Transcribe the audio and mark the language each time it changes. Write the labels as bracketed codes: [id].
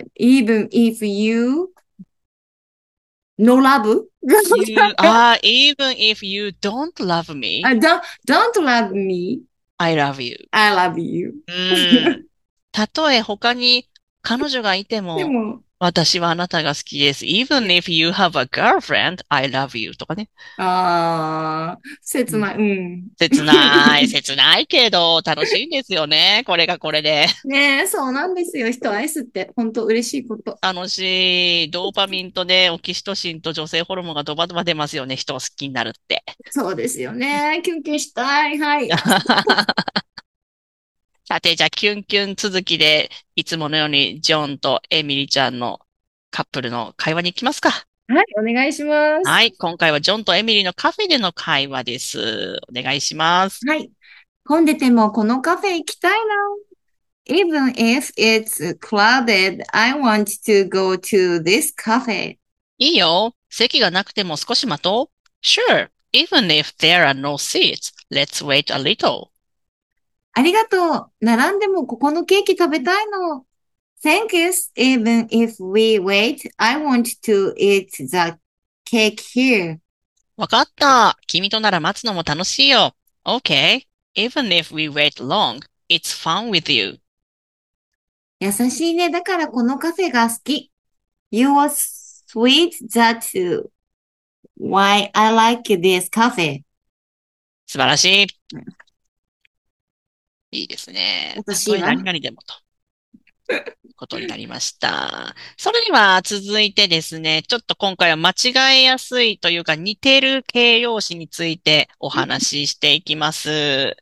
[en] Even if you, no love? even if you don't love me. Don't love me. I love you. I love you. [ja] うん。たとえ他に彼女がいても、でも、私はあなたが好きです。 [en] Even if you have a girlfriend, I love you. [ja] とかね。ああ、切ない、うん。切ない、切ないけど、楽しいんですよね。これがこれで。ねえ、そうなんですよ。人を愛すって、本当嬉しいこと。楽しい。ドーパミンとね、オキシトシンと女性ホルモンがドバドバ出ますよね。人を好きになるって。そうですよね。キュンキュンしたい。はい。さて、じゃあ、キュンキュン続きで、いつものように、ジョンとエミリちゃんのカップルの会話に行きますか。はい、お願いします。はい、今回はジョンとエミリーのカフェでの会話です。お願いします。はい。混んでてもこのカフェ行きたいな。 [en] Even if it's crowded, I want to go to this cafe. [ja] いいよ。席がなくても少し待とう。 [en] Sure. Even if there are no seats, let's wait a little. [ja] ありがとう。並んでもここのケーキ食べたいの。 [en] Thank you. Even if we wait, I want to eat the cake here. [ja] わかった。君となら待つのも楽しいよ。 [en] Okay. Even if we wait long, it's fun with you. [ja] 優しいね。だからこのカフェが好き。 [en] You are sweet, that's why I like this cafe. [ja] 素晴らしい。いいですね。私は何々でもと。ことになりました。それでは続いてですね、ちょっと今回は間違えやすいというか似てる形容詞についてお話ししていきます。